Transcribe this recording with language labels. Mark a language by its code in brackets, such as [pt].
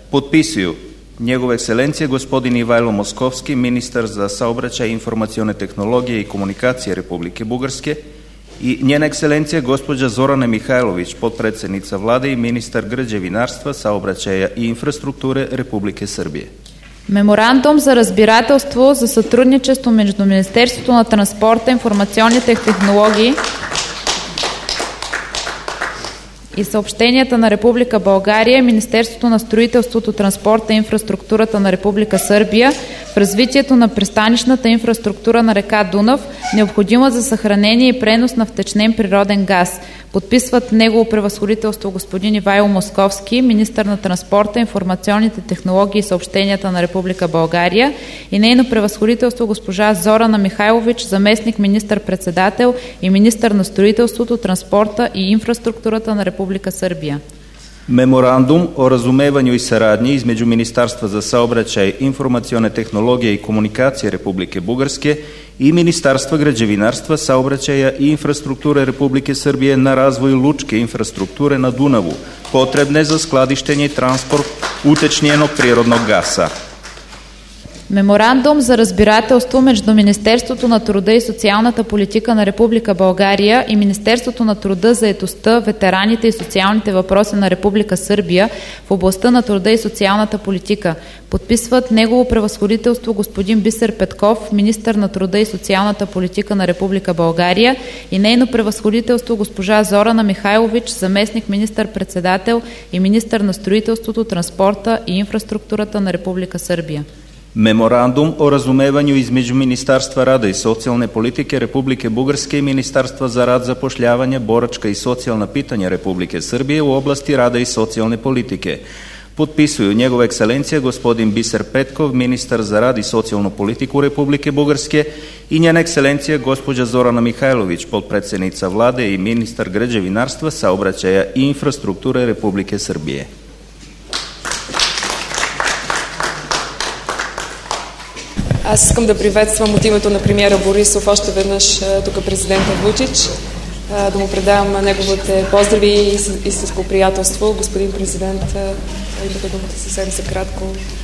[sr] Подписују Негова екселенција господин Ивайло Московски, министар за саобраћај, информационе технологије и комуникације Републике Бугарске и њена екселенција госпођа Зорана Михајловић, потпредседница владе и министар грађевинарства, саобраћаја и инфраструктуре Републике Србије. [bg] Меморандум за разбирателство за сътрудничество между Министерството на транспорта, информационните технологии и съобщенията на Република България, Министерството на строителството, транспорта и инфраструктурата на Република Сърбия в развитието на пристанищната инфраструктура на река Дунав, необходима за съхранение и пренос на втечнен природен газ. Подписват негово превъзходителство господин Ивайло Московски, министър на транспорта, информационните технологии и съобщенията на Република България и нейно превъзходителство госпожа Зорана Михайлович, заместник министър-председател и министър на строителството, транспорта и инфраструктурата на Република Сърбия. [sr] Меморандум о разумевању и сарадњи између Министарства за саобраћај, информационе технологије и комуникације Републике Бугарске и Министарства грађевинарства, саобраћаја и инфраструктуре Републике Србије на развој лучке инфраструктуре на Дунаву, потребне за складиштење и транспорт утечниеног природног гаса. [bg] Меморандум за разбирателство между Министерството на труда и социалната политика на Република България и Министерството на труда, заетостта, ветераните и социалните въпроси на Република Сърбия в областта на труда и социалната политика. Подписват негово превъзходителство господин Бисер Петков, министър на труда и социалната политика на Република България и нейно превъзходителство госпожа Зорана Михайлович, заместник министър-председател и министър на строителството, транспорта и инфраструктурата на Република Сърбия. [sr] Меморандум о разумевању између Министарства рада и социјалне политике Републике Бугарске и Министарства за рад, запошљавање, борачка и социјална питања Републике Србије у области рада и социјалне политике. Подписују Негова екселенција господин Бисер Петков, министар за рад и социјалну политику Републике Бугарске и Њена екселенција госпођа Зорана Михајловић, потпредседница владе и министар грађевинарства, саобраћаја и инфраструктуре Републике Србије. [bg] Аз искам да приветствам от името на премиера Борисов още веднъж тук президента Вучич, да му предам неговите поздрави и истинско приятелство. Господин президент, имате думата съвсем за кратко.